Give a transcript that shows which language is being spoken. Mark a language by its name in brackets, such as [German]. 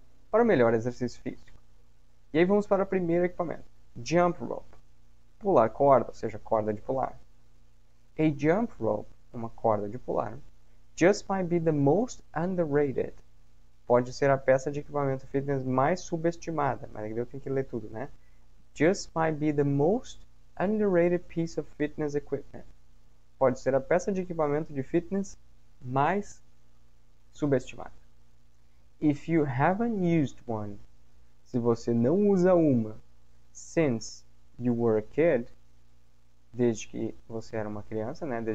[Portuguese] Para o melhor exercício físico. E aí vamos para o primeiro equipamento. Jump rope. Pular corda, ou seja, corda de pular. [English] A jump rope, [Portuguese] uma corda de pular, [English] just might be the most underrated. [Portuguese] Pode ser a peça de equipamento fitness mais subestimada. Mas eu tenho que ler tudo, né? [English] Just might be the most underrated piece of fitness equipment. [Portuguese] Pode ser a peça de equipamento de fitness mais subestimada. [English] If you haven't used one, [Portuguese] se você não usa uma, [English] since you were a kid, [Portuguese] desde que você era uma criança, né?